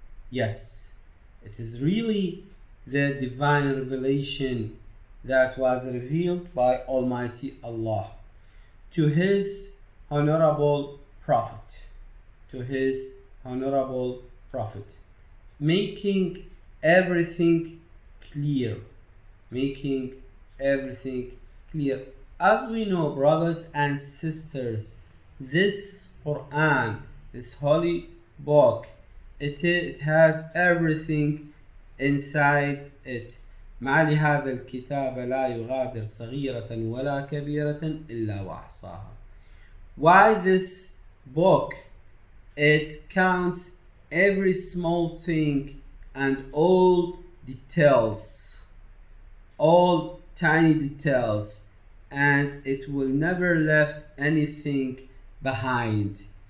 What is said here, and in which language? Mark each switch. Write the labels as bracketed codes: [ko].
[en] Yes, it is really the divine revelation that was revealed by Almighty Allah to His Honorable Prophet, to His Honorable Prophet, making everything clear, making everything clear. As we know, brothers and sisters, this Quran, this holy book, it has everything inside it. [ar] مع لهذا الكتاب لا يغادر صغيرة ولا كبيرة إلا وأحصاها. [en] Why this book? It counts every small thing and all details, all tiny details, and it will never left anything behind.